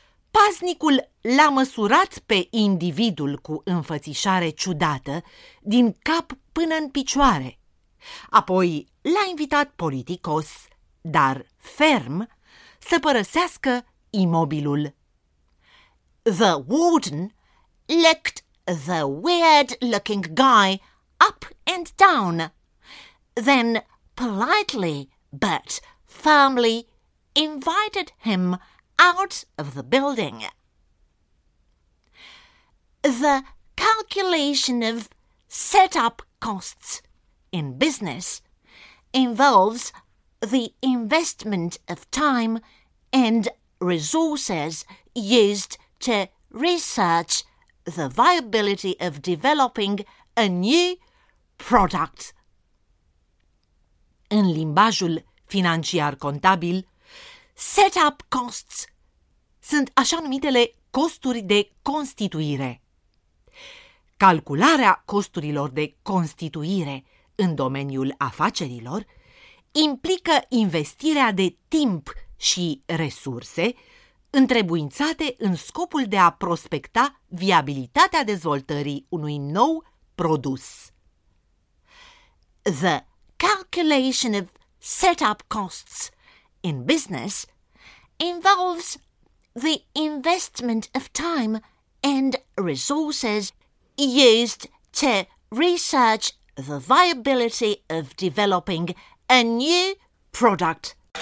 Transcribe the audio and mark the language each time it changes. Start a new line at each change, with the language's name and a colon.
Romanian: Paznicul l-a măsurat pe individul cu înfățișare ciudată din cap până în picioare, apoi l-a invitat politicos, dar ferm, să părăsească imobilul.
English: The warden looked the weird-looking guy up and down, then politely but firmly invited him out of the building. The calculation of setup costs in business involves the investment of time and resources used to research the viability of developing a new product.
Romanian: În limbajul financiar contabil,
English: setup costs
Romanian: sunt așa numitele costuri de constituire. Calcularea costurilor de constituire în domeniul afacerilor implică investirea de timp și resurse întrebuințate în scopul de a prospecta viabilitatea dezvoltării unui nou produs.
English: The calculation of setup costs in business involves the investment of time and resources used to research the viability of developing a new product.